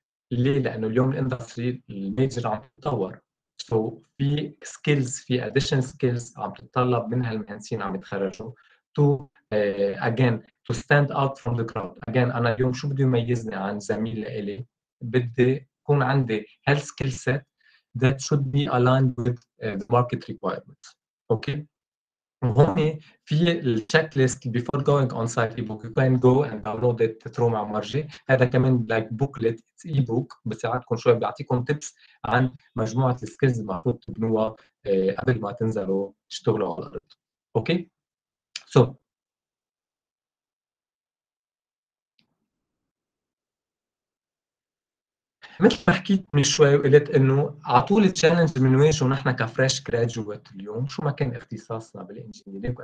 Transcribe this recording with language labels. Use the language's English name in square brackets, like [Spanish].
[Arabic] ليه؟ لأنه اليوم الاندستري الميجر عم تتطور. So في skills, في additional skills عم تتطلب من هالمهندسين عم يتخرجوا [English] to again to stand out from the crowd. Again [Arabic] أنا اليوم شو بدي يميزني عن زميل إلي؟ بدي يكون عندي [English] هالskill set that should be aligned with the market requirements. [Arabic] Okay, هون في التشيك ليست [English] before going on site [Arabic] ebook. [English] You can go and download it through my مرجع. [Arabic] هذا كمان [English] like booklet, it's ebook [Arabic] بساعدكم شوي بيعطيكم tips عن مجموعة السكيلز المفروض تبنوها قبل ما تنزلوا تشتغلوا على الأرض. Okay, so مثل ما حكيت من شوي وقلت انه على طول التشالنج من وجهه نحن كفريش جراديويت اليوم شو ما كان اختصاصنا بالانجينيرينج.